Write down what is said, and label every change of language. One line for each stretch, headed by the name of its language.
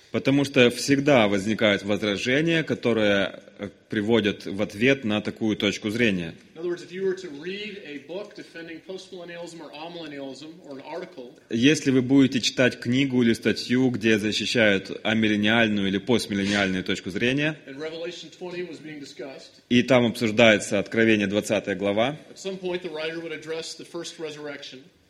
Russian: Потому что всегда возникают возражения, которые приводят в ответ на такую точку зрения.
English: In other words, if you were to read a book defending postmillennialism or amillennialism or an article,
Russian: если вы будете читать книгу или статью, где защищают амиллениальную или постмиллениальную точку зрения,
English: and Revelation 20 was being discussed,
Russian: и там обсуждается Откровение 20 глава,
English: at some point the writer would address the first resurrection,